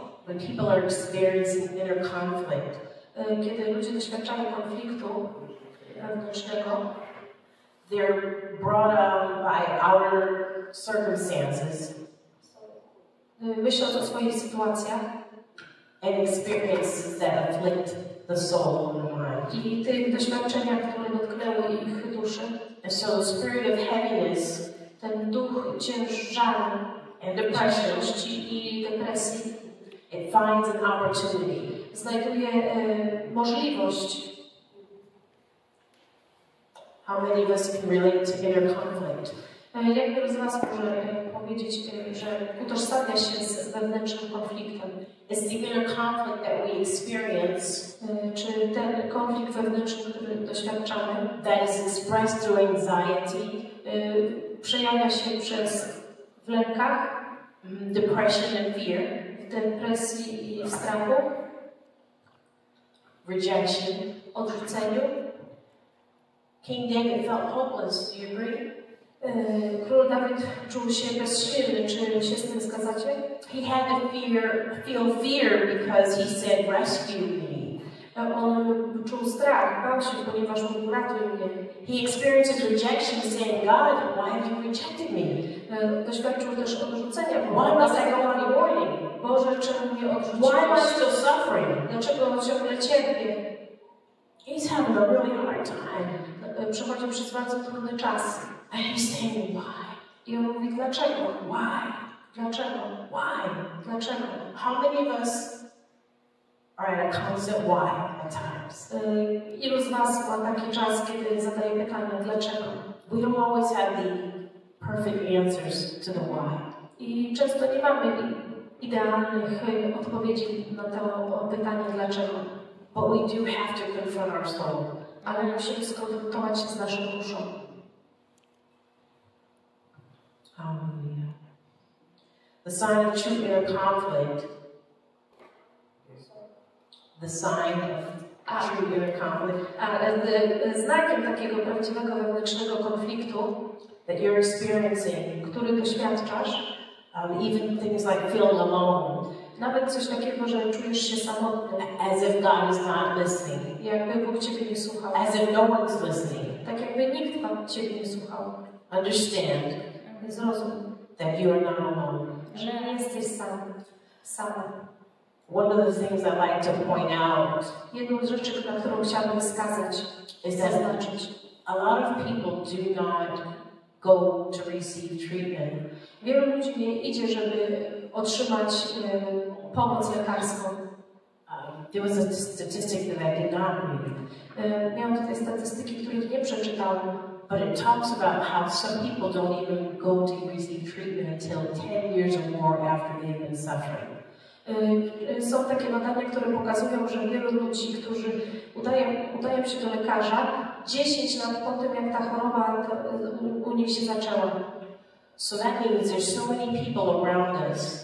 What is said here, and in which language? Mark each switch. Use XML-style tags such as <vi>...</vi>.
<en>when people are experiencing inner conflict,</en> <pl>kiedy ludzie doświadczają konfliktu wewnętrznego,</pl> <en>they're brought on by our circumstances.</en> <pl>Myśląc o swoich sytuacjach.</pl> <en>And experiences that afflict the soul and the mind.</en> <pl>I te doświadczenia, które dotknęły ich duszy.</pl> <en>And so the spirit of heaviness.</en> <pl>Ten duch ciężaru.</pl> <en>And depression.</en> <pl>I depresji.</pl> <en>It finds an opportunity.</en> <pl>Znajduje możliwość.</pl> <en>How many of us can relate to inner conflict?</en> <pl>Jak wielu z was może powiedzieć, że utożsamia się z wewnętrznym konfliktem?</pl> <en>Is the inner conflict that we experience,</en> <pl>czy ten konflikt wewnętrzny, który doświadczamy,</pl> <en>that is expressed through anxiety,</en> <pl>przejawia się przez w lękach,</pl> <en>depression and fear,</en> <pl>w depresji i w strachu,</pl> <en>rejection,</en> <pl>odrzuceniu.</pl> <en>King David felt hopeless, do you agree?</en> <pl>Król Dawid czuł się bezsilny. Czy się z tym zgadzacie?</pl> <en>He had to feel fear because he said, rescue me.</en> <pl>On czuł strach, bał się, ponieważ mówił, ratuj mnie.</pl> <en>He experienced rejection, saying, God, why have you rejected me?</en> <pl>Doświadczył też odrzucenia.</pl> <en>Why must I go on the warning?</en> <pl>Boże, czemu mnie odrzuciłeś?</pl> <en>Why am I still suffering?</en> <pl>Dlaczego ciągle cierpię?</pl> <en>He's having a really hard time.</en> <pl>Przechodził przez bardzo trudny czas.</pl> <en>And he's saying, why?</en> <pl>I on mówi, dlaczego?</pl> <en>Why?</en> <pl>Dlaczego?</pl> <en>Why?</en> <pl>Dlaczego?</pl> <en>How many of us are at a constant why at times?</en> <pl>Ilu z nas ma taki czas, kiedy zadaje pytanie, dlaczego?</pl> <en>We don't always have the perfect answers to the why.</en> <pl>I często nie mamy idealnych odpowiedzi na to pytanie, dlaczego.</pl> <en>But we do have to confront our soul.</en> <pl>Ale musimy skonfrontować się z naszą duszą.</pl> <en>The sign of true inner conflict. The sign of true inner conflict.</en> <pl>Znakiem takiego prawdziwego wewnętrznego konfliktu,</pl> <en>that you're experiencing,</en> <pl>który doświadczasz,</pl> <en>even things like feeling alone.</en> <pl>Nawet coś takiego, że czujesz się samotny.</pl> <en>As if God is not listening.</en> <pl>Jakby Bóg ciebie nie słuchał.</pl> <en>As if no one's listening.</en> <pl>Tak jakby nikt wam ciebie nie słuchał.</pl> <en>Understand.</en> <pl>Zrozum.</pl> <en>That you are not alone.</en> <pl>Że nie jesteś sama.</pl> <en>One of the things I like to point out.</en> <pl>Jedną z rzeczy, na którą chciałabym wskazać,</pl> <en>is that</en> <pl>zaznaczyć.</pl> <en>A lot of people do not go to receive treatment.</en> <pl>Wielu ludzi nie idzie, żeby otrzymać pomoc lekarską.</pl> <en>There was a statistic that I did not read.</en> <pl>Miałam tutaj statystyki, których nie przeczytałam.</pl> <en>But it talks about how some people don't even go to receive treatment until 10 years or more after they've been suffering.</en> <pl>Są takie badania, które pokazują, że wielu ludzi, którzy udają się do lekarza, 10 lat po tym, jak ta choroba u nich się zaczęła.</pl> <en>So that means there's so many people around us.</en>